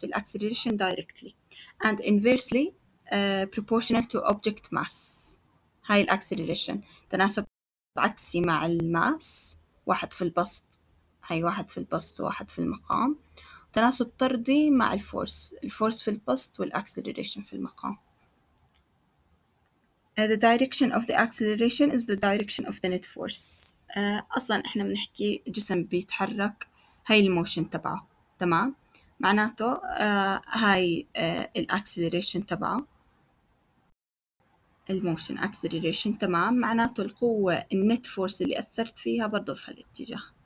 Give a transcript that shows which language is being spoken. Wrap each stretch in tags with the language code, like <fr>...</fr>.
<en>The acceleration directly and inversely proportional to object mass.</en> <ar>هاي الأكسليريشن تناسب عكسي مع الماس، واحد في البسط، هاي واحد في البسط وواحد في المقام. تناسب طردي مع الفورس، الفورس في البسط والأكسليريشن في المقام.</ar> <en>The direction of the acceleration is the direction of the net force.</en> <ar>أصلاً إحنا بنحكي جسم بيتحرك، هاي الموشن تبعه، تمام؟ معناته هاي الأكسليريشن تبعه، الموشن أكسليريشن، تمام؟ معناته القوة النت فورس اللي أثرت فيها برضو في هالاتجاه.</ar>